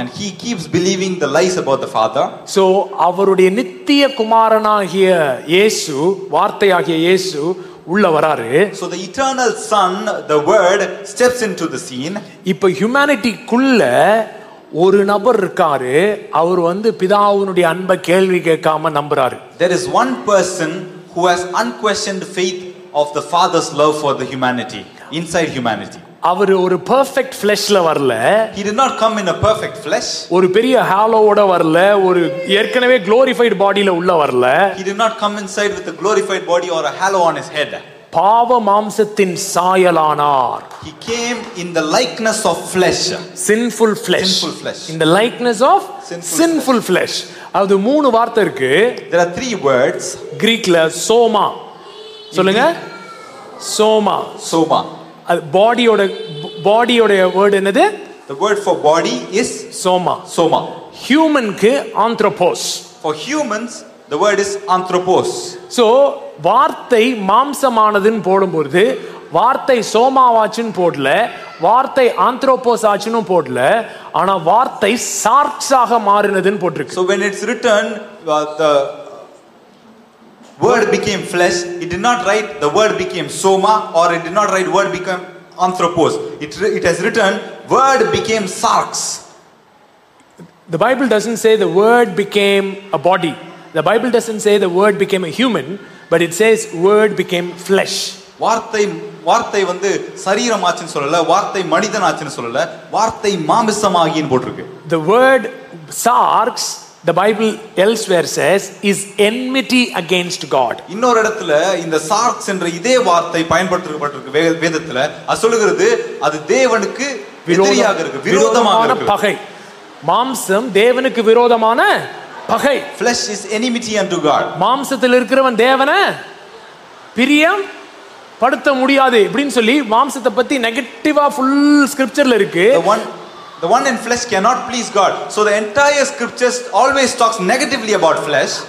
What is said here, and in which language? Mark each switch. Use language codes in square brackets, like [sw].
[en] And he keeps believing the lies about the father. [ta] So அவருடைய நித்திய குமாரனாகிய இயேசு, வார்த்தையாகிய இயேசு உள்ள வராரு. [en] So the eternal son, the word, steps into the scene. [ta] இப்போ ஹியூமானிட்டிக்குள்ள ஒரு நபர் இருக்காரு, அவர் வந்து பிதாவினுடைய அன்பை கேள்வி கேட்காம நம்புறாரு. [en] There is one person who has unquestioned faith of the father's love for the humanity. Inside humanity. [ta] அவர் ஒரு [en] perfect flesh [ta] ல வரல. [en] He did not come in a perfect flesh. [ta] ஒரு பெரிய halo ஓட வரல. ஒரு ஏற்கனவே [en] glorified body [ta] ல உள்ள வரல. [en] He did not come inside with a glorified body or a halo on his head. [ta] பாவ மாம்சத்தின் சாயலானார். [en] He came in the likeness of flesh. Sinful flesh. Sinful flesh. In the likeness of sinful flesh. [ta] அது மூணு வார்த்தை இருக்கு. [en] There are three words. [ta] கிரீக்ல soma. சொல்லுங்க. Soma. [el] Soma. [en] Body, body word என்னது? The word for body is soma. [el] Soma. [en] Human ku anthropos. For humans, the word is anthropos. [ta] So வார்த்தை மாம்சமானதுன்னு போடும்போது வார்த்தை சோமாவாச்சுன்னு போடல, வார்த்தை ஆந்த்ரோபோஸ் ஆச்சுன்னு போடல, ஆனா வார்த்தை சார்ட்ஸாக மாறினதுன்னு போட்டிருக்கு. [en] So when it's written, the word became flesh, it did not write the word became soma, or it did not write word became anthropos. It has written word became sarx. The Bible doesn't say the word became a body. The Bible doesn't say the word became a human. But it says word became flesh. [ta] வார்த்தை வந்து சரீரம் ஆச்சுன்னு சொல்லல, வார்த்தை மனிதன் ஆச்சுன்னு சொல்லல, வார்த்தை மாம்சமாகின்னு போட்டிருக்கு. [en] The word sarx, the Bible elsewhere says, is enmity against God. [ta] இன்னொரு இடத்துல இந்த sarx என்ற இதே வார்த்தை பயன்படுத்தப்பட்டிருக்கு வேதத்துல. அது சொல்லுகிறது அது தேவனுக்கு எதிரியாக இருக்கு, விரோதமாக இருக்கு. பகை, மாம்சம் தேவனுக்கு விரோதமான பகை. [en] Flesh is enmity unto God. [ta] மாம்சத்தில் இருக்கிறவன் தேவனை பிரியம் படுத்த முடியாது அப்படினு சொல்லி மாம்சத்தை பத்தி நெகட்டிவா ஃபுல் ஸ்கிரிப்சர்ல இருக்கு. [en] The one in flesh cannot please God. So the entire scriptures always talks negatively about flesh.